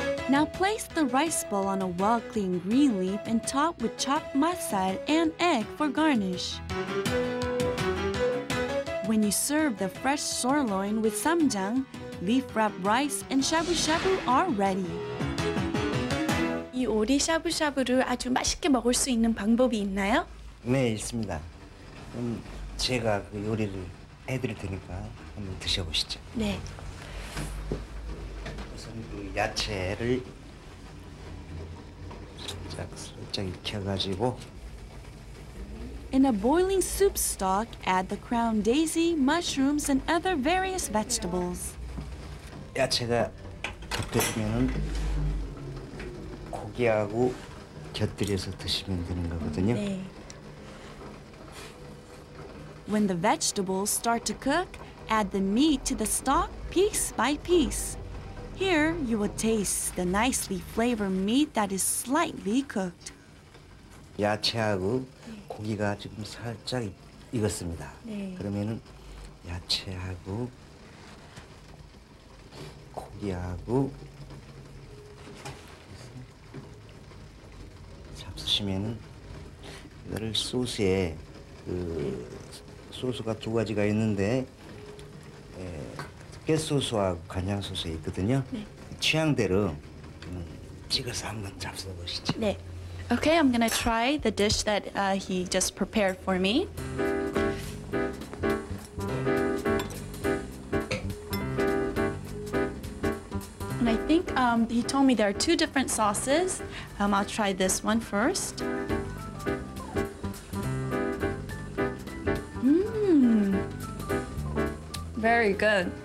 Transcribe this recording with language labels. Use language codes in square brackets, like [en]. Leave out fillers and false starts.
[en] Now place the rice ball on a well-cleaned green leaf and top with chopped masal and egg for garnish. When you serve the fresh sirloin with samjang, leaf-wrapped rice and shabu-shabu are ready. [ko] 이 오리 샤브샤브를 아주 맛있게 먹을 수 있는 방법이 있나요? 네, 있습니다. 제가 그 요리를 해드릴 테니까 한번 드셔보시죠. 네. 야채를 살짝 익혀가지고 [en] In a boiling soup stock, add the crown daisy, mushrooms, and other various vegetables. [ko] 야채가 익혀지면 고기하고 곁들여서 드시면 되는 거거든요. 네. [en] When the vegetables start to cook, add the meat to the stock piece by piece. Here, you will taste the nicely flavored meat that is slightly cooked. [ko] 야채하고 고기가 지금 살짝 익었습니다. 네. 그러면은 야채하고 고기하고 잡수시면은 이거를 소스에 그 소스가 두 가지가 있는데 깨소스와 간장소스 있거든요. 네. 취향대로 찍어서 한번 잡숴보시죠. 네. [en] Okay, I'm gonna try the dish that he just prepared for me. And I think he told me there are two different sauces. I'll try this one first. Mmm. Very good.